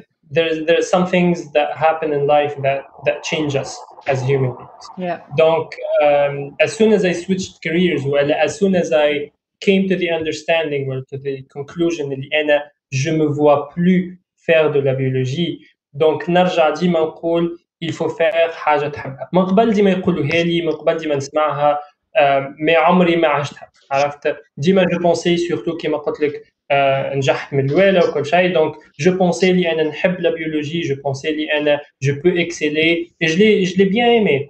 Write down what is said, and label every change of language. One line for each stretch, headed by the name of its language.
English: There's some things that happen in life that change us as human beings. Yeah. Donc, as soon as I switched careers, well, as soon as I came to the understanding or to the conclusion that أنا
French: je me vois plus faire de la biologie.
Arabic: Donc, نرجع ديما نقول
French: il faut faire
Arabic: حاجة تحبها. من قبل ديما يقولوها لي, من قبل ديما نسمعها, mais عمري ما عشتها. عرفت ديما
French: je pensais surtout
Arabic: كيما قلت لك نجحت من الأولى وكل شيء.
French: Donc, je pensais
Arabic: لي أنا نحب
French: la biologie, je pensais
Arabic: لي أنا
French: je peux exceller et je l'ai bien aimé.